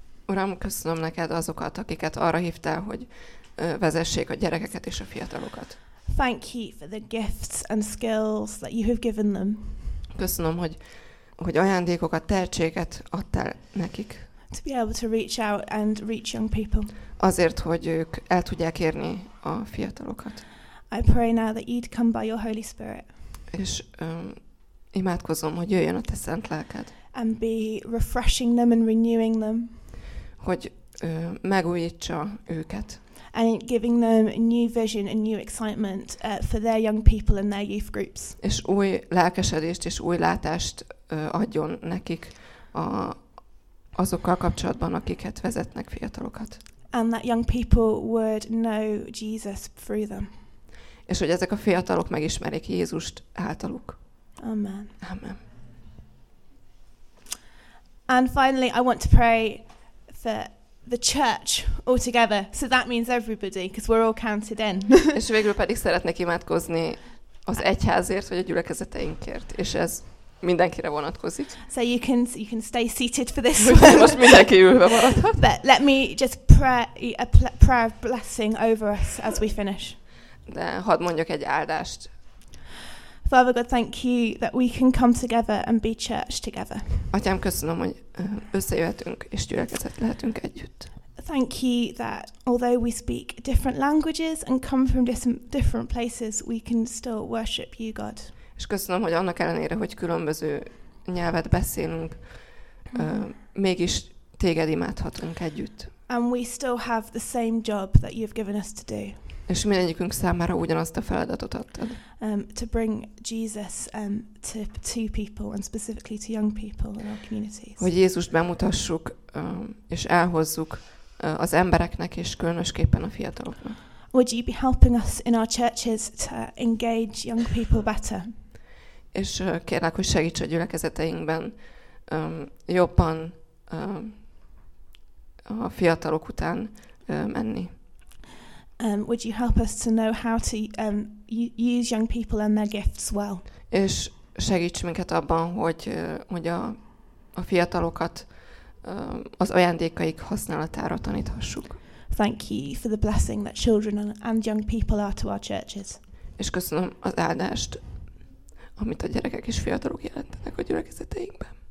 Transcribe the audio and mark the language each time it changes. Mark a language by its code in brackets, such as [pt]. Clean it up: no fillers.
[hu] Uram, köszönöm neked azokat, akiket arra hívtál, hogy vezessék a gyerekeket és a fiatalokat. [en] Thank you for the gifts and skills that you have given them. [hu] Köszönöm, hogy ajándékokat, tehetséget adtál nekik. [en] To be able to reach out and reach young people. [hu] Azért, hogy ők el tudják érni a fiatalokat. [en] I pray now that you'd come by your Holy Spirit. [hu] És imádkozom, hogy jöjjön a te szent lelked. [en] And be refreshing them and renewing them. [hu] Hogy megújítsa őket. [en] And giving them a new vision and new excitement for their young people and their youth groups. [hu] És új lelkesedést és új látást adjon nekik azokkal kapcsolatban, akiket vezetnek fiatalokat. [en] And that young people would know Jesus through them. [hu] És hogy ezek a fiatalok megismerik Jézust általuk. [en] Amen. [hu] Amen. [en] And finally, I want to pray for the church altogether. So that means everybody, because we're all counted in. [hu] És végül pedig szeretnék imádkozni az egyházért, vagy a gyülekezeteinkért. És ez mindenkire vonatkozik. [en] So you can stay seated for this. [hu] Most mindenki ülve maradhat. [en] But let me just pray a prayer of blessing over us as we finish. [hu] De hadd mondjak egy áldást. [en] Father God, thank you that we can come together and be church together. [hu] Atyám, köszönöm, hogy összejöhetünk és gyülekezet lehetünk együtt. [en] Thank you that although we speak different languages and come from different places, we can still worship you, God. [hu] És köszönöm, hogy annak ellenére, hogy különböző nyelvet beszélünk, mégis téged imádhatunk együtt. [en] And we still have the same job that you've given us to do. [hu] És mindegyikünk számára ugyanazt a feladatot adtad. [en] To bring Jesus to people and specifically to young people in our communities. [hu] Hogy Jézust bemutassuk és elhozzuk az embereknek és különösképpen a fiataloknak. [en] Would you be helping us in our churches to engage young people better? [hu] És kérlek, hogy segíts a gyülekezeteinkben jobban a fiatalok után menni. [en] Would you help us to know how to use young people and their gifts well? [hu] És segíts minket abban, hogy a fiatalokat az ajándékaik használatára taníthassuk. [en] Thank you for the blessing that children and young people are to our churches. [hu] És köszönöm az áldást, amit a gyerekek és fiatalok jelentenek a gyülekezeteinkben.